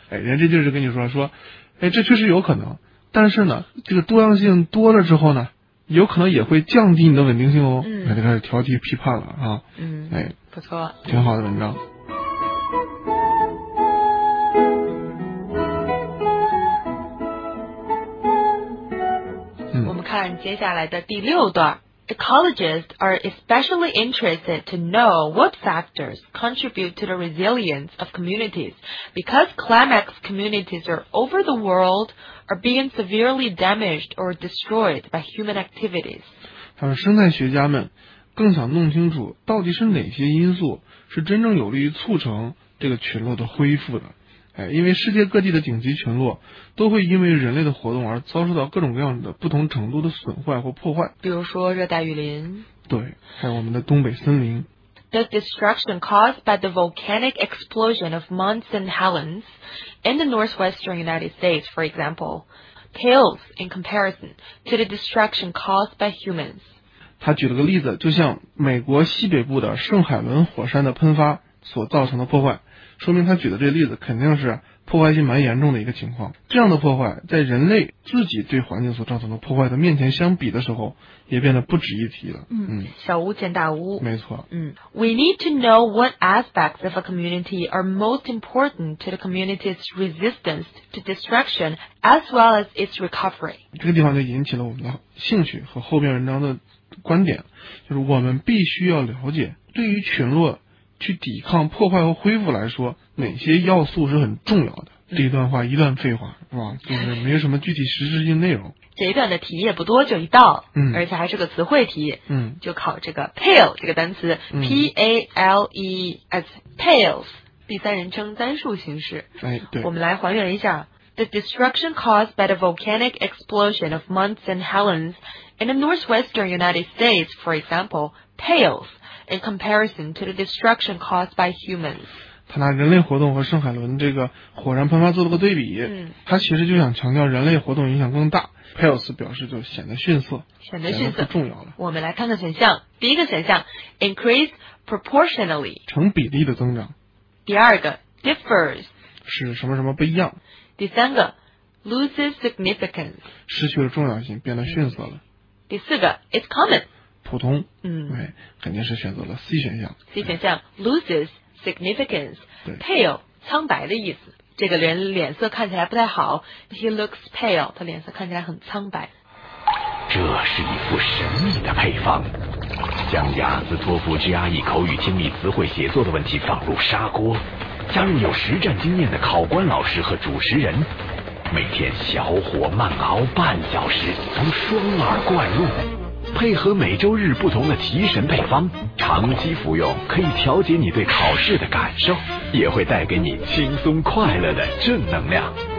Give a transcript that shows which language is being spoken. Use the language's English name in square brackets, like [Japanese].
[Chinese] 哎，人家这就是跟你说，哎，这确实有可能，但是呢，这个多样性多了之后呢，有可能也会降低你的稳定性哦。那就开始挑剔批判了啊。哎，不错，挺好的文章。我们看接下来的第六段。 [English] Ecologists are especially interested to know what factors contribute to the resilience of communities, because climax communities are over the world are being severely damaged or destroyed by human activities. [Chinese] 他们生态学家们更想弄清楚到底是哪些因素是真正有利于促成这个群落的恢复的。哎，因为世界各地的顶级群落都会因为人类的活动而遭受到各种各样的不同程度的损坏或破坏，比如说热带雨林，对，还有我们的东北森林。 [English] The destruction caused by the volcanic explosion of Mount St. Helens in the northwestern United States, for example, pales in comparison to the destruction caused by humans. [Chinese] 他举了个例子，就像美国西北部的圣海伦火山的喷发所造成的破坏，说明他举的这例子肯定是破坏性蛮严重的一个情况。这样的破坏在人类自己对环境所造成的破坏的面前相比的时候，也变得不值一提了。小巫见大巫。没错。 [English] We need to know what aspects of a community are most important to the community's resistance to destruction as well as its recovery. [Chinese] 这个地方就引起了我们的兴趣和后边文章的观点，就是我们必须要了解对于群落去抵抗破坏和恢复来说，哪些要素是很重要的。这一段话一段废话是吧，就是没有什么具体实质性内容。这一段的题也不多，就一道，嗯，而且还是个词汇题，嗯，就考这个 pale 这个单词，嗯， [English] P-A-L-E as pales， [Chinese] 第三人称单数形式。哎，对，我们来还原一下。 [English] The destruction caused by the volcanic explosion of Mount St. Helens in the northwestern United States, for example, pales in comparison to the destruction caused by humans. [Chinese] 他拿人类活动和圣海伦这个火山喷发做了个对比，他其实就想强调人类活动影响更大。 Pales 表示就显得逊色，显得逊色，不重要了。我们来看看选项。第一个选项 [English] increase proportionally， [Chinese] 成比例的增长。第二个 differs，是什么什么不一样。第三个 [English] loses significance， [Chinese] 失去了重要性，变得逊色了。第四个 [English] it's common， [Chinese] 普通。嗯，对，肯定是选择了 C 选项。 C 选项 [English] loses significance， [Chinese] pale 苍白的意思。这个人脸色看起来不太好， [English] he looks pale， [Chinese] 他脸色看起来很苍白。这是一副神秘的配方，将雅思托福 GRE 口语听力词汇写作的问题放入砂锅，加入有实战经验的考官老师和主持人，每天小火慢熬半小时，从双耳灌入，配合每周日不同的提神配方，长期服用可以调节你对考试的感受，也会带给你轻松快乐的正能量。